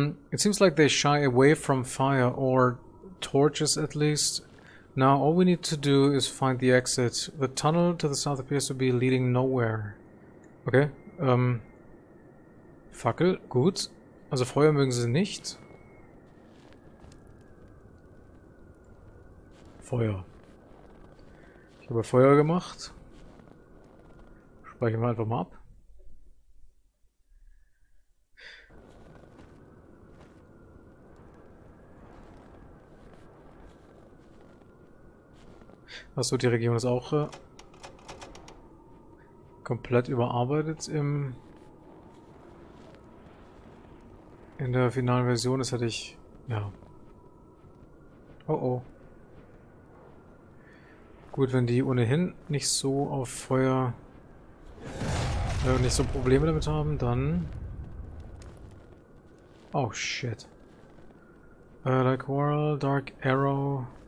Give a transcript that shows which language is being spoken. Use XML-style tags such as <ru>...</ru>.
<en>It seems like they shy away from fire or torches at least. Now all we need to do is find the exit. The tunnel to the south appears to be leading nowhere.</en> <de>Okay, Fackel, gut. Also Feuer mögen sie nicht. Feuer. Ich habe Feuer gemacht. Speichern wir einfach mal ab. Achso, die Region ist auch komplett überarbeitet im in der finalen Version. Das hätte ich. Ja. Oh oh. Gut, wenn die ohnehin nicht so auf Feuer nicht so Probleme damit haben, dann. Oh shit. Dark Quarrel, Dark Arrow.</de>